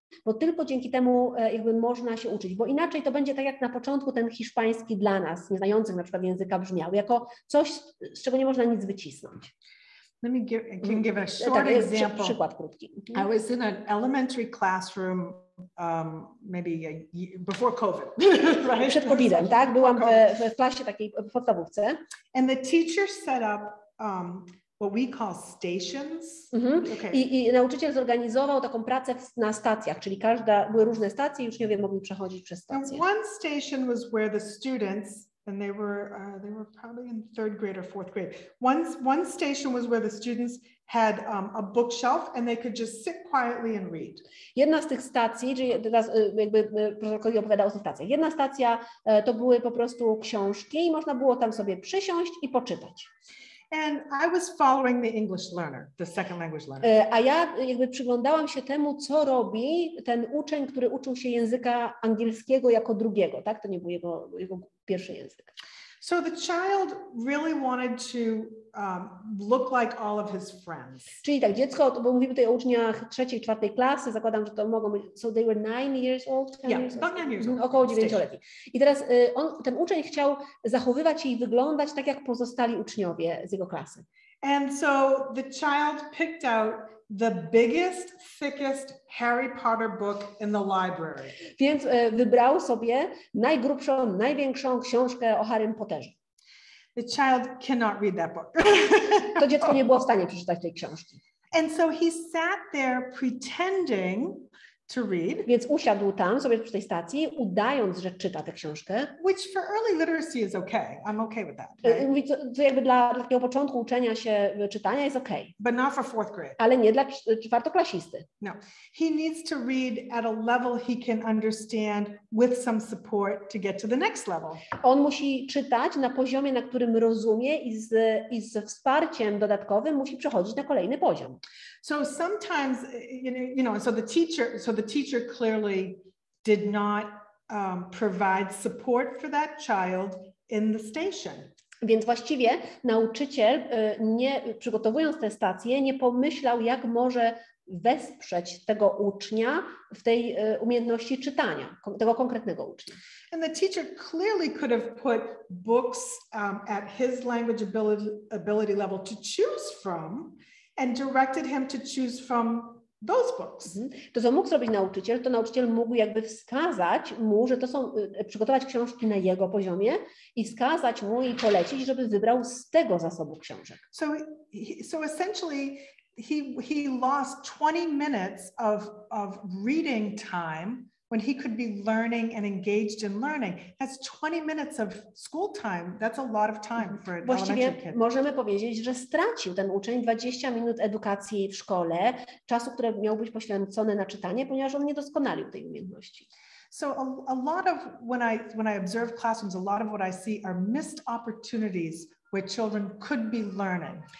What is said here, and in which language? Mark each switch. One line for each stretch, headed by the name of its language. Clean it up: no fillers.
Polish: bo tylko dzięki temu jakby można się uczyć, bo inaczej to będzie tak jak na początku ten hiszpański dla nas, nieznających na przykład języka, brzmiał, jako coś, z czego nie można nic wycisnąć.
English: Let me give, I can give a short tak, example.
Polish: Przykład krótki.
English: I was in an elementary classroom maybe a year, before COVID. Right?
Polish: Przed COVID-em, tak? Byłam w klasie takiej podstawówce.
English: And the teacher set up what we call stations. Mm-hmm. Okay.
Polish: I nauczyciel zorganizował taką pracę na stacjach, czyli każda, były różne stacje i uczniowie mogli przechodzić przez stację.
English: And one station was where the students, and they were probably in third grade or fourth grade. One station was where the students had a bookshelf and they could just sit quietly and read.
Polish: Jedna z tych stacji, czyli teraz jakby profesor Coady opowiadał o tych stacjach. Jedna stacja to były po prostu książki i można było tam sobie przysiąść i poczytać.
English: And I was following the English learner, the second language learner.
Polish: A ja jakby przyglądałam się temu, co robi ten uczeń, który uczył się języka angielskiego jako drugiego, tak? To nie był jego pierwszy język.
English: So the child really wanted to look like all of his friends.
Polish: Czyli tak, dziecko, bo mówimy tutaj o uczniach trzeciej, czwartej klasy, zakładam, że to mogą być,
English: so they were 9 years old?
Polish: Około 9-letni. I teraz ten uczeń chciał zachowywać się i wyglądać tak, jak pozostali uczniowie z jego klasy.
English: And so the child picked out the biggest, thickest Harry Potter book in the library.
Polish: Więc wybrał sobie najgrubszą, największą książkę o Harrym Potterze.
English: The child cannot read that book.
Polish: To dziecko nie było w stanie przeczytać tej książki.
English: And so he sat there pretending to read.
Polish: Więc usiadł tam sobie przy tej stacji, udając, że czyta tę książkę.
English: Which for early literacy is okay. I'm okay with that.
Polish: Mówi,
English: right?
Polish: To jakby dla takiego początku uczenia się czytania jest okay.
English: But not for fourth grade.
Polish: Ale nie dla czwartoklasisty. No.
English: He needs to read at a level he can understand with some support to get to the next level.
Polish: On musi czytać na poziomie, na którym rozumie i z wsparciem dodatkowym musi przechodzić na kolejny poziom.
English: So sometimes, you know, so the teacher clearly did not provide support for that child in the station.
Polish: Więc właściwie nauczyciel, nie przygotowując tę stację, nie pomyślał, jak może wesprzeć tego ucznia w tej umiejętności czytania, tego konkretnego ucznia.
English: And the teacher clearly could have put books at his language ability level to choose from, and directed him to choose from those books.
Polish: To co mógł zrobić nauczyciel, to nauczyciel mógł jakby wskazać mu, że to są, przygotować książki na jego poziomie i wskazać mu i polecić, żeby wybrał z tego zasobu książek.
English: So essentially he lost 20 minutes of reading time when he could be learning and engaged in learning. That's 20 minutes of school time. That's a lot of time for an elementary kid.
Polish: Właściwie możemy powiedzieć, że stracił ten uczeń 20 minut edukacji w szkole, czasu, które miał być poświęcone na czytanie, ponieważ on nie doskonalił tej umiejętności.
English: So a lot of, when I observe classrooms, a lot of what I see are missed opportunities where children could be learning.